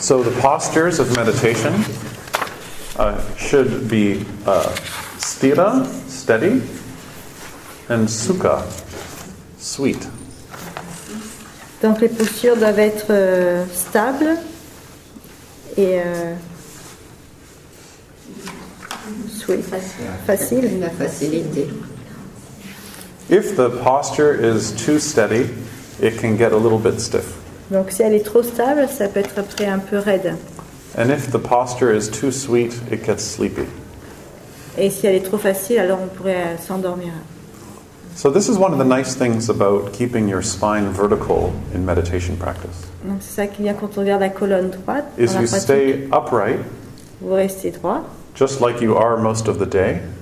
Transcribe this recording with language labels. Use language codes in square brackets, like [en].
[en] So the postures of meditation should be sthira, steady, and sukha, sweet. [fr] Donc les postures doivent être stables et sweet, facile. La facilité. [en] If the posture is too steady, it can get a little bit stiff. [fr] Donc si elle est trop stable, ça peut être après un peu raide. [en] And if the posture is too sweet, it gets sleepy. [fr] Et si elle est trop facile, alors on pourrait s'endormir. [en] So this is one of the nice things about keeping your spine vertical in meditation practice. [fr] Donc c'est ça qu'il y a quand on regarde la colonne droite. [en] Is you stay upright. [fr] Vous restez droit. [en] Just like you are most of the day.